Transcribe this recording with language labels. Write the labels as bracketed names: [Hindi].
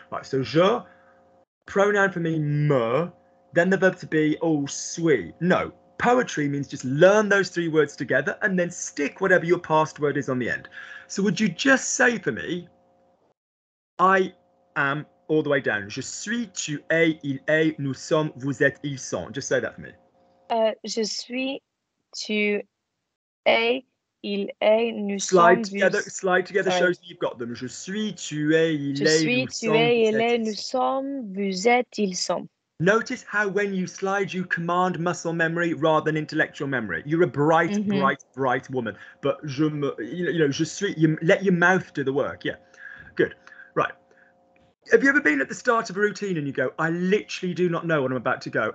[English] Right, so je, pronoun for me, me, then the verb to be, oh, sui. No, poetry means just learn those three words together and then stick whatever your past word is on the end. So would you just say for me, I am all the way down. [French] Je suis, tu es, il est, nous sommes, vous êtes, ils sont. [English] Just say that for me. [French] Je suis, tu es, il est, nous [English] slide [French] sommes, [English] together, vous... Slide together, sorry. Shows that you've got them. [French] Je suis, tu es, il je est, suis, nous tu sommes, es, il est, nous sommes, vous êtes, ils sont. [English] Notice how when you slide, you command muscle memory rather than intellectual memory. You're a bright, mm-hmm. bright woman. But je me, you know, [French] je suis, [English] you let your mouth do the work. Yeah, good. Right. Have you ever been at the start of a routine and you go, I literally do not know what I'm about to go.